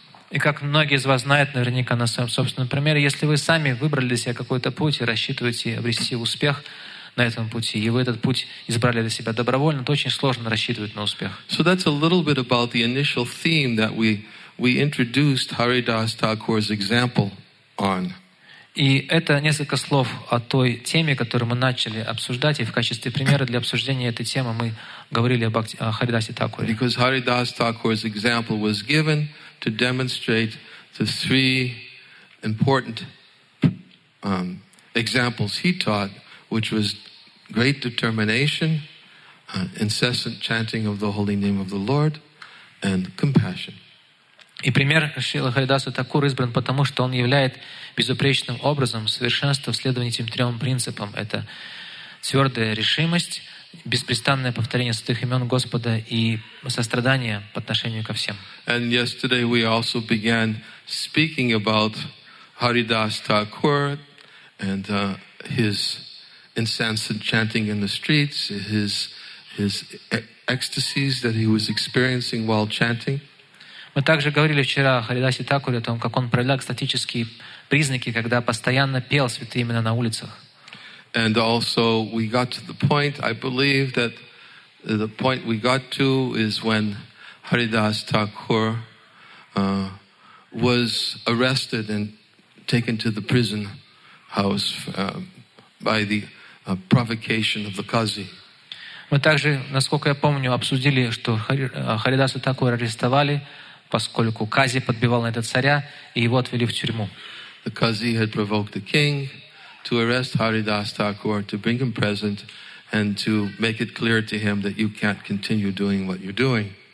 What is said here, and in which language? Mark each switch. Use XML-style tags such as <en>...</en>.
<ru>И как многие из вас знают наверняка на своем собственном примере, если вы сами выбрали для себя какой-то путь и рассчитываете обрести успех на этом пути, и вы этот путь избрали для себя добровольно, то очень сложно рассчитывать на успех.</ru> <en>So that's a little bit about the initial theme that we introduced Haridas Thakur's example on.</en> <ru>И это несколько слов о той теме, которую мы начали обсуждать, и в качестве примера для обсуждения этой темы мы говорили об Харидасе Такуре.</ru> <en>Because Haridas Thakur's example was given to demonstrate the three important examples he taught, which was great determination, incessant chanting of the holy name of the Lord, and compassion.</en> <ru>И пример Шрилы Харидаса Такура избран потому, что он являет безупречным образом совершенство в следовании этим трем принципам. Это твердая решимость, беспрестанное повторение святых имен Господа и сострадание по отношению ко всем.</ru> <en>And yesterday we also began speaking about Haridas Thakur and his incessant chanting in the streets, his ecstasies that he was experiencing while chanting.</en> <ru>Мы также говорили вчера о Харидасе Такуре, о том, как он проявлял экстатические признаки, когда постоянно пел святые имена на улицах.</ru> <en>And also we got to the point, I believe that the point we got to is when Haridas Thakur was arrested and taken to the prison house by the provocation of the Qazi.</en> <ru>Мы также, насколько я помню, обсудили, что Харидаса Такура арестовали, поскольку Кази подбивал на это царя, и его отвели в тюрьму.</ru> <en>The Qazi had provoked the king to arrest Haridas Thakur, to bring him present, and to make it clear to him that you can't continue doing what you're doing.</en>